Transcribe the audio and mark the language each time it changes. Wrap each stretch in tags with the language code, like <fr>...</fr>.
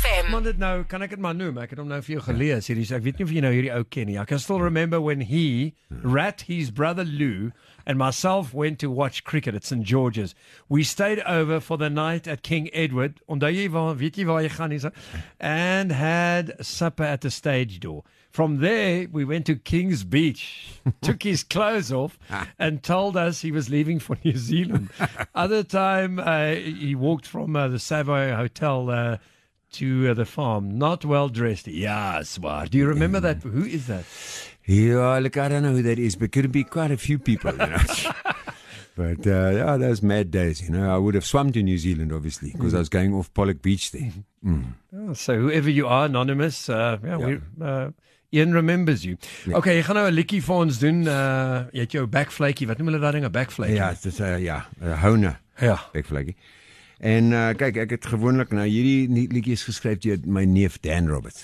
<af>Want dit nou, kan ek dit maar noem? Ek het hom nou vir jou gelees hierdie. Ek weet nie of jy nou hierdie ou ken nie.</af> <en>I can still remember when he, Rat, his brother Lou, and myself went to watch cricket at St. George's. We stayed over for the night at King Edward.</en> <af>Onthou jy waar, weet jy waar jy gaan nie?</af> <en>And had supper at the stage door. From there, we went to King's Beach, took his clothes off, and told us he was leaving for New Zealand. Other time, he walked from the Savoy Hotel to the farm, not well dressed. Yes, well, do you remember that? Who is that? Yeah, look, I don't know who that is, but it could be quite a few people, you know. But yeah, those mad days, you know. I would have swum to New Zealand, obviously, because I was going off Pollock Beach then. Mm. So whoever you are, anonymous, Ian remembers you. Yeah.</en> <af>Okay, jy gaan nou 'n liedjie vir ons doen. Jy het jou backflakey. Wat noem hulle daai ding, 'n backflakey? Ja, dit is 'n honer. Ja. Backflakey. En kyk, ek het gewoonlik nou hierdie liedjie geskryf deur my neef Dan Roberts.</af>